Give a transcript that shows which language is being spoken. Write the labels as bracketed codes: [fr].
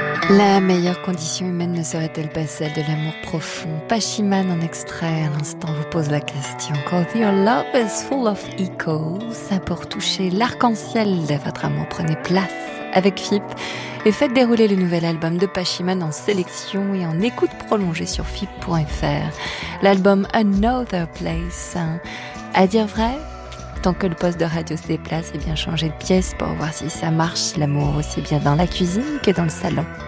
[fr] La meilleure condition humaine ne serait-elle pas celle de l'amour profond? Pachiman en extrait, à l'instant, vous pose la question. [en] Cause your love is full of echoes. [fr] Pour toucher l'arc-en-ciel de votre amour, prenez place avec FIP et faites dérouler le nouvel album de Pachiman en sélection et en écoute prolongée sur FIP.fr. L'album Another Place. À dire vrai, tant que le poste de radio se déplace, et bien changer de pièce pour voir si ça marche, l'amour, aussi bien dans la cuisine que dans le salon.